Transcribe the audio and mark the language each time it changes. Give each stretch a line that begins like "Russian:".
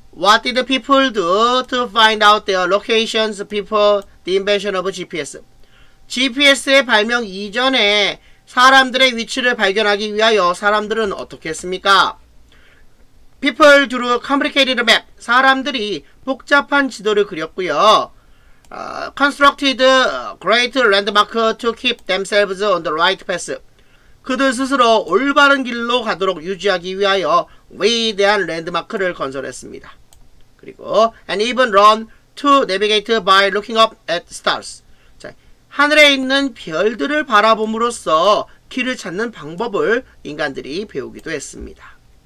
English: What did people do to find out their locations before the invention of GPS?
Korean: GPS의 발명 이전에 사람들의 위치를 발견하기 위하여 사람들은 어떻게 했습니까?
English: People drew complicated map.
Korean: 사람들이 복잡한 지도를 그렸고요.
English: Constructed great landmark to keep themselves on the right path.
Korean: 그들 스스로 올바른 길로 가도록 유지하기 위하여 위대한 랜드마크를 건설했습니다.
English: 그리고 and even learn to navigate by looking up at stars.
Korean: 하늘에 있는 별들을 바라봄으로써 길을 찾는 방법을 인간들이 배우기도 했습니다.